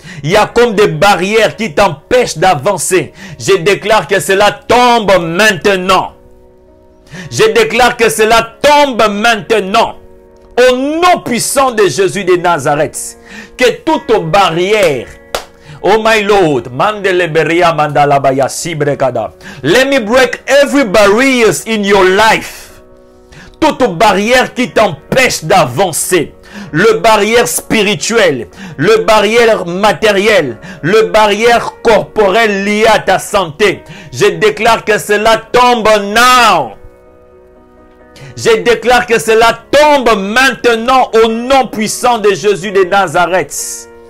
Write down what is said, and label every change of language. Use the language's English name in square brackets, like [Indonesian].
[French] Il y a comme des barrières qui t'empêchent d'avancer. Je déclare que cela tombe maintenant. Je déclare que cela tombe maintenant. Au nom puissant de Jésus de Nazareth, que toutes les barrières, [English] oh my Lord, mandeleberia mandalabaya sibrekada. Let me break every barriers in your life. [French] Toute barrière qui t'empêche d'avancer. Le barrière spirituel, le barrière matériel, le barrière corporel lié à ta santé. Je déclare que cela tombe [English] now. [French] Je déclare que cela tombe maintenant au nom puissant de Jésus de Nazareth.